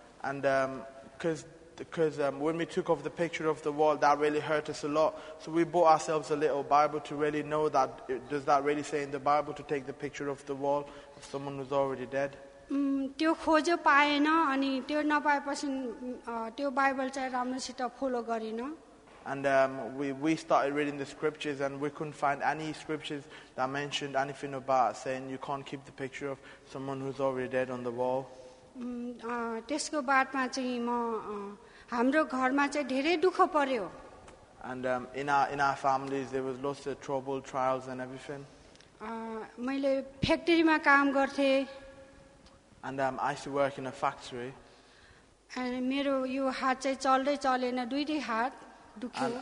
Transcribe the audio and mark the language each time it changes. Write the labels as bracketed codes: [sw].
[en] And because when we took off the picture of the wall, that really hurt us a lot. So we bought ourselves a little Bible to really know that, does that really say in the Bible to take the picture of the wall of someone who's already dead? [ne] त्यो खोज्यो पाएन अनि त्यो नपाएपछि त्यो Bible चाहिँ राम्रोसित follow गरेन. [en] And we started reading the scriptures and we couldn't find any scriptures that mentioned anything about saying you can't keep the picture of someone who's already dead on the wall. [ne] त्यसको बादमा चाहिँ म हाम्रो घरमा चाहिँ धेरै दुःख पर्यो. [en] And in our families there was lots of trouble, trials and everything. [ne] मैले फ्याक्ट्रीमा काम गर्थे. [en] And I used to work in a factory. [ne] And mero yo hat chai chaldai chalena dui dui hat dukhyo.